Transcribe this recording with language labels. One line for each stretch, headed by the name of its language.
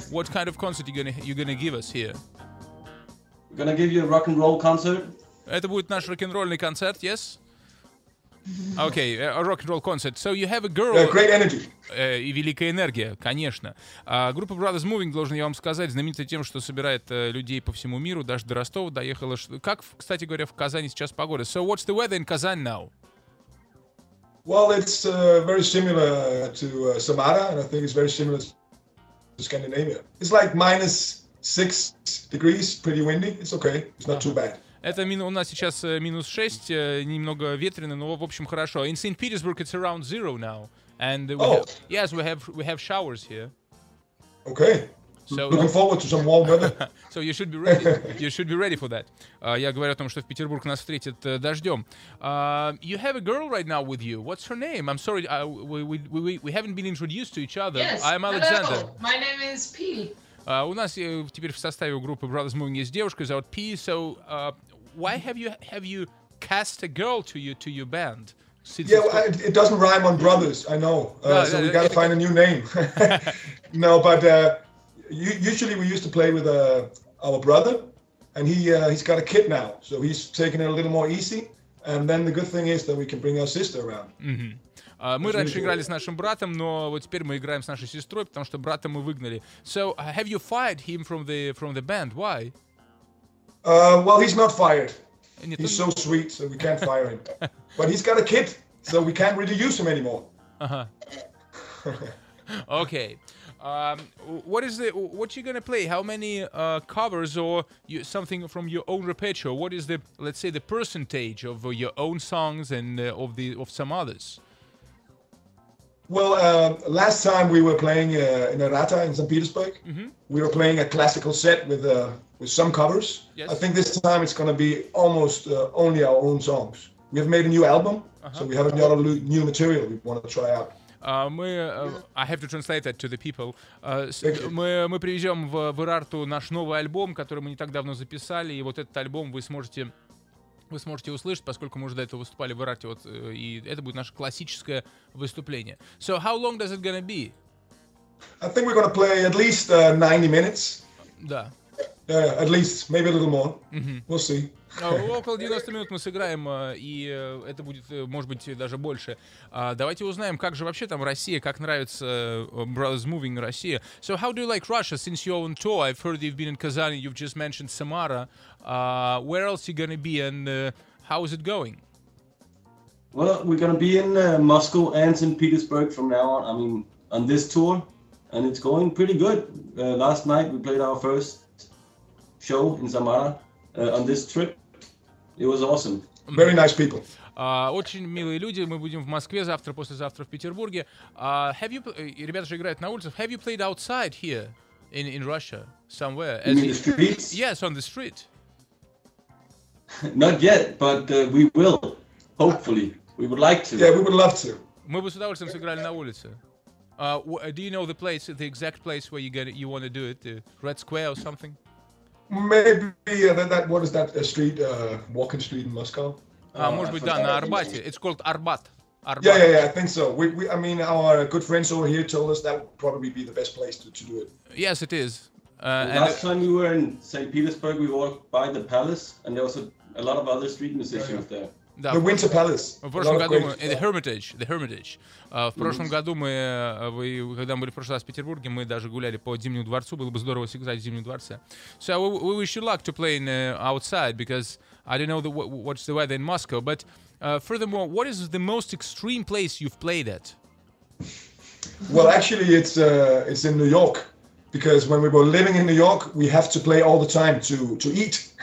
English: What kind of concert you gonna give us here? Gonna give you a rock and roll concert.
Russian: Это будет наш рок-н-ролльный концерт,
English: yes? Okay, a rock and roll concert. So you have a girl. Great energy.
Russian: И великая энергия, конечно. Группа Brothers Moving, должен я вам сказать, знаменита тем, что собирает людей по всему миру, даже до Ростова доехала. Как, кстати говоря, в Казани сейчас погода?
English: So what's the weather in Kazan now? Well, it's very similar to Samara, and I think it's very similar to Scandinavia. It's like minus 6 degrees, pretty windy. It's okay. It's not too bad.
Russian: Это у нас сейчас минус 6, немного ветрено, но в общем хорошо.
English: In St. Petersburg it's around zero now. And we have showers here. Okay. So, looking forward to some warm weather. So you should be ready. You should be ready for that.
Russian: Я говорю о том, что в Петербург нас встретит дождем.
English: You have a girl right now with you. What's her name? I'm sorry, we haven't been introduced to each other. Yes. I'm Alexander. Hello. My name is P.
Russian: У нас теперь в составе группы Brothers Moving есть девушка, зовут P.
English: So, why have you cast a girl to your band? Since it doesn't rhyme on brothers, I know. We gotta find a new name. No, but usually we used to play with our brother, and he's got a kid now, so he's taking it a little more easy. And then the good thing is that we can bring our sister around. Mm-hmm.
Russian: Мы раньше играли с нашим братом, но вот теперь мы играем с нашей сестрой, потому что брата мы выгнали.
English: So, have you fired him from the band? Why? Well, he's not fired. He's so sweet, so we can't fire him. But he's got a kid, so we can't really use him anymore. Uh-huh. Okay. What you gonna play? How many covers or something from your own repertoire? What is the, let's say, the percentage of your own songs and of some others? Well, last time we were playing in Arata in St. Petersburg, mm-hmm. we were playing a classical set with some covers. Yes. I think this time it's going to be almost only our own songs. We have made a new album, so we have a lot of new material we want to try out. I have to translate that to the people.
Russian: Мы привезем в Ирарту наш новый альбом, который мы не так давно записали, и вот этот альбом вы сможете услышать, поскольку мы уже до этого выступали в Ирарте, вот, и это будет наше классическое выступление.
English: So how long does it gonna be? I think we're gonna play at least 90 minutes.
Russian: Да.
English: At least, maybe a little more. Mm-hmm. We'll see.
Russian: Около 90 минут мы сыграем, и это будет, может быть, даже больше. Давайте узнаем, как же вообще там Россия, как нравится Brothers Moving Россия.
English: So how do you like Russia since you're on tour? I've heard you've been in Kazan, you've just mentioned Samara. Where else are you going to be and how is it going? Well, we're going to be in Moscow and St. Petersburg from now on, on this tour. And it's going pretty good. Last night we played our first show in Samara. On this trip, it was awesome. Very nice people.
Russian: Очень милые люди. Мы будем в Москве завтра, послезавтра в Петербурге. Ребята же играют на улицах.
English: Have you played outside here in Russia somewhere? In the streets? Yes, on the street. Not yet, but we will. Hopefully, we would like to. Yeah, we would love to.
Russian: Мы бы с удовольствием сыграли на улице.
English: Do you know the place, the exact place where you want to do it? Red Square or something? Maybe that what is that street walking street in Moscow?
Russian: Может быть, да, на Арбате.
English: It's called Arbat. Yeah, I think so. We our good friends over here told us that would probably be the best place to do it. Yes, it is. Last time we were in St. Petersburg, we walked by the palace, and there was a lot of other street musicians there.
Russian: Да,
English: the Winter Palace.
Russian: В прошлом году мы...
English: The Hermitage. The Hermitage.
Russian: В прошлом году мы... Вы, когда мы были в прошлый раз в Петербурге, мы даже гуляли по Зимнему дворцу. Было бы здорово сыграть в Зимнем дворце.
English: So we wish you luck to play in, outside, because I don't know the, what's the weather in Moscow. But furthermore, what is the most extreme place you've played at? Well, actually, it's in New York. Because when we were living in New York, we have to play all the time to eat.